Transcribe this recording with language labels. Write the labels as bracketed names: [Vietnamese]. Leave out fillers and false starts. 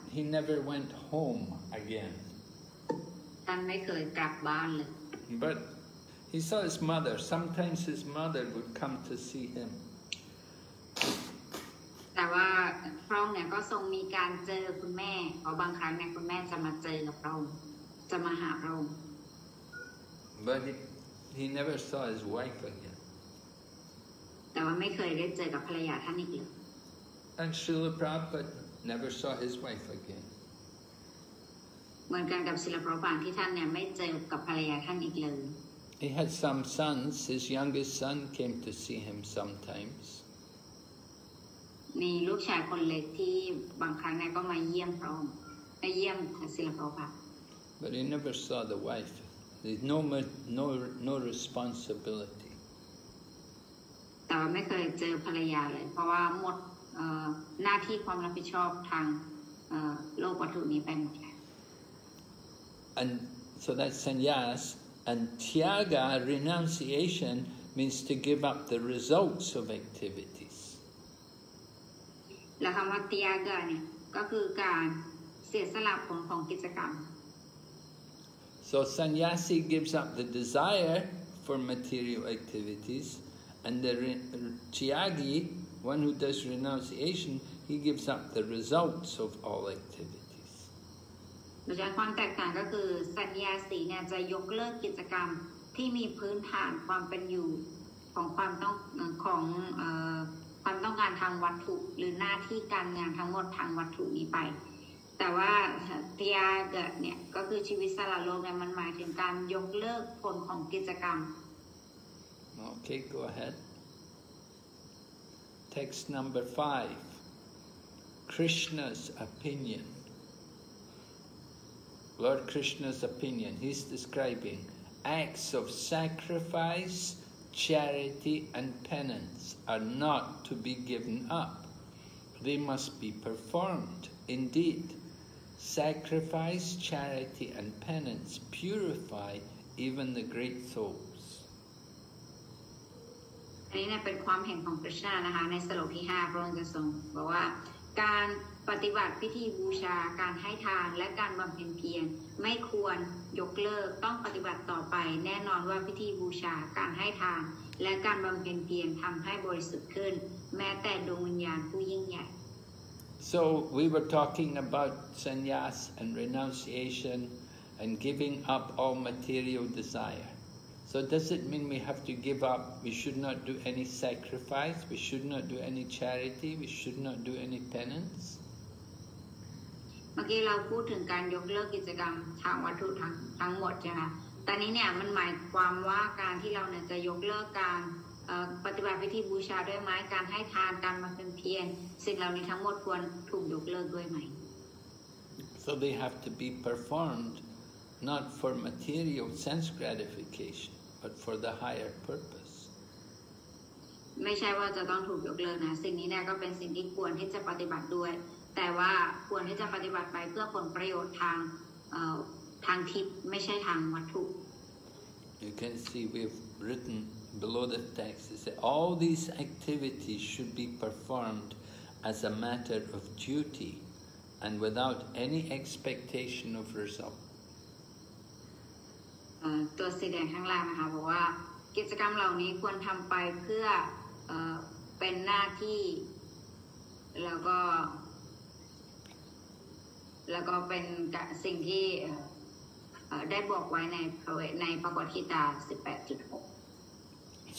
[English] He never went home again. [Thai] ท่านไม่เคยกลับบ้านเลย [English] But he saw his mother. Sometimes his mother would come to see him. [Thai] แต่ว่าพระองค์เนี่ยก็ทรงมีการเจอคุณแม่พอบางครั้งเนี่ยคุณแม่จะมาเจอกับพระองค์จะมาหาพระองค์ [English] But he never saw his wife again [Thai] แต่ว่าไม่เคยได้เจอกับภรรยาท่านอีกเลย [English] And Srila Prabhupada never saw his wife again [Thai] เหมือนกันกับศิลปพันธ์ที่ท่านเนี่ยไม่เจอกับภรรยาท่านอีกเลย [English] He had some sons his youngest son came to see him sometimes [Thai] มีลูกชายคนเล็กที่บางครั้งนั้นก็มาเยี่ยมพระองค์ไปเยี่ยมศิลปะค่ะ [English] But he never saw the wife. There's no responsibility. [Thai] แต่ไม่เคยเจอภรรยาเลยเพราะว่าหมดหน้าที่ความรับผิดชอบทางโลกวัตถุนี้ไปหมดแล้ว [English] And so that's sannyas and tyaga renunciation means to give up the results of activities. [Thai] และคำว่าเตียกเนี่ยก็คือการเสียสละผลของกิจกรรม [English] So sannyasi gives up the desire for material activities and the tyagi one who does renunciation he gives up the results of all activities [Thai] โดยความแตกต่างก็คือสัญญาสีเนี่ยจะยกเลิกกิจกรรมที่มีพื้นฐานความเป็นอยู่ของความต้องของความต้องการทางวัตถุหรือหน้าที่การงานทั้งหมดทางวัตถุนี้ไปแต่ว่าเตียเกิดเนี่ยก็คือชีวิตสละโลกเนี่ยมันหมายถึงการยกเลิกผลของกิจกรรม [English] โอเค go ahead text number 5 Krishna's opinion Lord Krishna's opinion he's describing acts of sacrificeCharity and penance are not to be given up. They must be performed. Indeed, sacrifice, charity, and penance purify even the great souls. This is the opinion of Krishna in the 5th verse. He says that the practice of worship, giving alms, and the practice of penance are not to be given up. [Thai] ยกเลิกต้องปฏิบัติต่อไปแน่นอนว่าพิธีบูชาการให้ทาน และการบำเพ็ญเพียรทำให้บริสุทธิ์ขึ้นแม้แต่ดวงวิญญาณผู้ยิ่งใหญ่ [English] So we were talking about sannyas and renunciation and giving up all material desire. So does it mean we have to give up, we should not do any sacrifice, we should not do any charity, we should not do any penance? [Thai] เมื่อกี้เราพูดถึงการยกเลิกกิจกรรมทางวัตถุทั้งหมดใช่ไหมตอนนี้เนี่ยมันหมายความว่าการที่เราเนี่ยจะยกเลิกการปฏิบัติพิธีบูชาด้วยไหมการให้ทานการมาเป็นเพียรสิ่งเหล่านี้ทั้งหมดควรถูกยกเลิกด้วยไหม [English] So they have to be performedNot for material sense gratification, but for the higher purpose. [Thai] ไม่ใช่ว่าจะต้องถูกยกเลิกนะสิ่งนี้เนี่ยก็เป็นสิ่งที่ควรที่จะปฏิบัติด้วยแต่ว่าควรที่จะปฏิบัติไปเพื่อผลประโยชน์ทางทิพย์ไม่ใช่ทางวัตถุ [English] You can see we've written below the text. It says all these activities should be performed as a matter of duty and without any expectation of result. [Thai] ตัวสีแดงข้างล่างนะคะบอกว่ากิจกรรมเหล่านี้ควรทำไปเพื่อเป็นหน้าที่แล้วก็เป็นสิ่งที่ได้บอกไว้ในพระกฏฐีตา 18.6